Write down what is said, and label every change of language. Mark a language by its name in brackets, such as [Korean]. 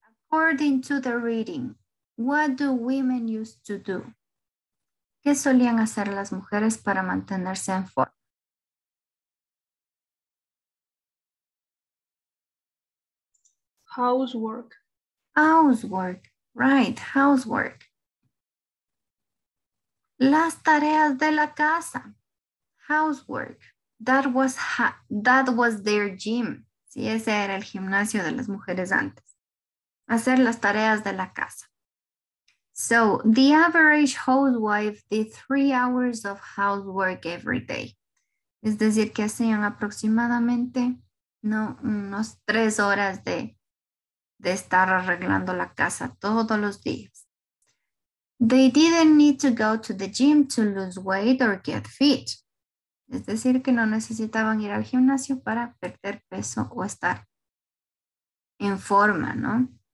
[English] According to the reading, what do women used to do? [Spanish] ¿Qué solían hacer las mujeres para mantenerse en forma? [English] Housework. Housework, right, housework. [Spanish] Las tareas de la casa. Housework. [English] That was their gym. [Spanish] Sí, ese era el gimnasio de las mujeres antes. Hacer las tareas de la casa. [English] So, the average housewife did 3 hours of housework every day. [Spanish] Es decir, que hacían aproximadamente, ¿no?, unos 3 horas de estar arreglando la casa todos los días. [English] They didn't need to go to the gym to lose weight or get fit. [Spanish] Es decir, que no necesitaban ir al gimnasio para perder peso o estar en forma, ¿no?